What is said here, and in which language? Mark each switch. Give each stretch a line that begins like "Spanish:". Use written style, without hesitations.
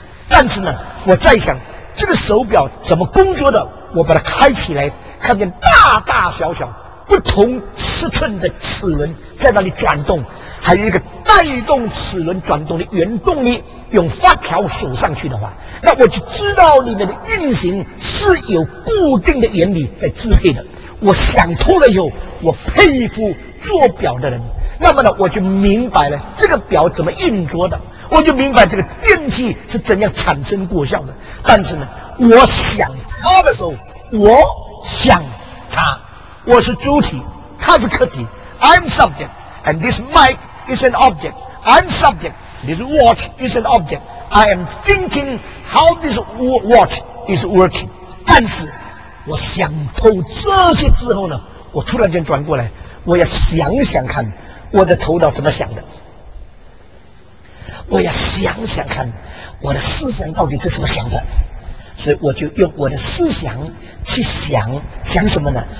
Chinese: 但是呢，我在想这个手表怎么工作的，我把它开起来，看见大大小小不同尺寸的齿轮在那里转动，还有一个带动齿轮转动的原动力用发条锁上去的话，那我就知道里面的运行是有固定的原理在支配的。我想通了以后，我佩服做表的人，那么呢，我就明白了这个表怎么运作的，我就明白这个电器是怎样产生过效的。但是呢，我想他的时候，我想他，我是主体，他是客体。
English: I'm subject, and this mic is an object. I'm subject, this watch is an object. I am thinking how this watch is working.
Chinese: 但是我想透这些之后呢，我突然间转过来，我要想想看我的头脑怎么想的，我要想想看我的思想到底是怎么想的。所以我就用我的思想去想，想什么呢？